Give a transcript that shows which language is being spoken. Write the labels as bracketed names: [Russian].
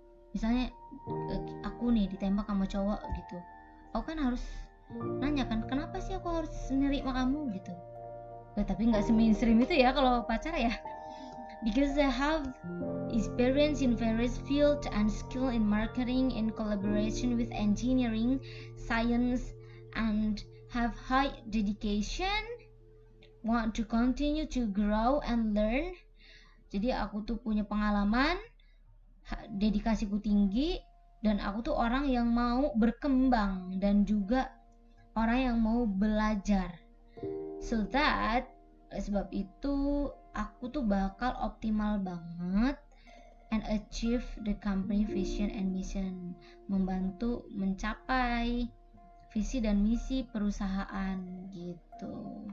[Indonesian] Misalnya aku nih ditembak sama cowok gitu, aku kan harus nanya kan, kenapa sih aku harus nerima kamu gitu. Nah, tapi nggak semainstream itu ya kalau pacar ya. [English] Because I have experience in various fields and skill in marketing in collaboration with engineering, science, and have high dedication, want to continue to grow and learn. [Indonesian] Jadi aku tuh punya pengalaman, dedikasiku tinggi, dan aku tuh orang yang mau berkembang dan juga orang yang mau belajar. [English] So that, [Indonesian] sebab itu aku tuh bakal optimal banget [English] and achieve the company vision and mission, [Indonesian] membantu mencapai visi dan misi perusahaan gitu.